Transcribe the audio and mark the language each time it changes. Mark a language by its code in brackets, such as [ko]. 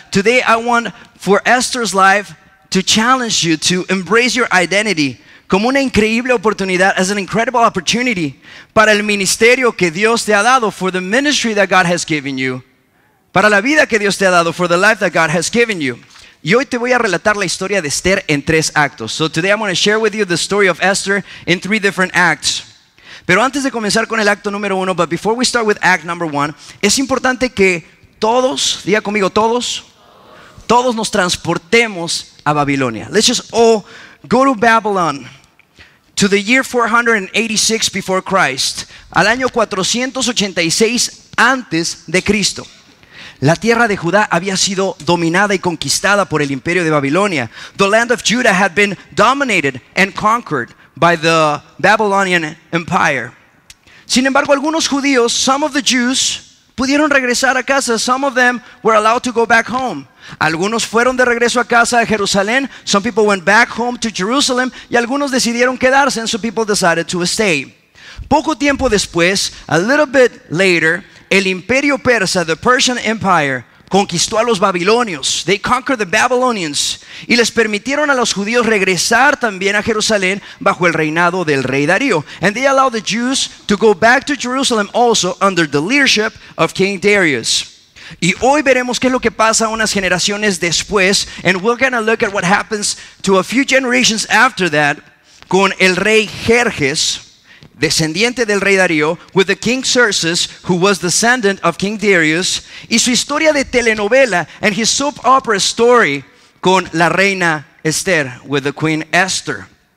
[en] Today I want for Esther's life to challenge you to embrace your identity [es] como una increíble oportunidad, [en] as an incredible opportunity [es] para el ministerio que Dios te ha dado, [en] for the ministry that God has given you, [es] para la vida que Dios te ha dado, [en] for the life that God has given you. [es] Y hoy te voy a relatar la historia de Esther en tres actos. [en] So today I'm going to share with you the story of Esther in three different acts. [es] Pero antes de comenzar con el acto número uno, [en] but before we start with act number one, [es] es importante que todos, diga conmigo todos, todos nos transportemos a Babilonia. [en] Let's just all go to Babylon, to the year 486 before Christ, [es] al año 486 antes de Cristo. La tierra de Judá había sido dominada y conquistada por el imperio de Babilonia. [en] The land of Judah had been dominated and conquered by the Babylonian Empire. [es] Sin embargo, algunos judíos, [en] some of the Jews, [es] pudieron regresar a casa. [en] Some of them were allowed to go back home. [es] Algunos fueron de regreso a casa a Jerusalén. [en] Some people went back home to Jerusalem. [es] Y algunos decidieron quedarse, [en] and some people decided to stay. [es] Poco tiempo después, [en] a little bit later, [es] el Imperio Persa, [en] the Persian Empire, [es] conquistó a los babilonios. [en] They conquered the Babylonians. [es] Y les permitieron a los judíos regresar también a Jerusalén bajo el reinado del rey Darío. [en] And they allowed the Jews to go back to Jerusalem also under the leadership of King Darius. [es] Y hoy veremos qué es lo que pasa unas generaciones después. [en] And we're going to look at what happens to a few generations after that [es] con el rey Jerjes, descendiente del rey Darío, [en] with the king Xerxes, who was descendant of King Darius, [es] y su historia de telenovela, [en] and his soap opera story, [es] con la reina Esther, [en] with the queen Esther.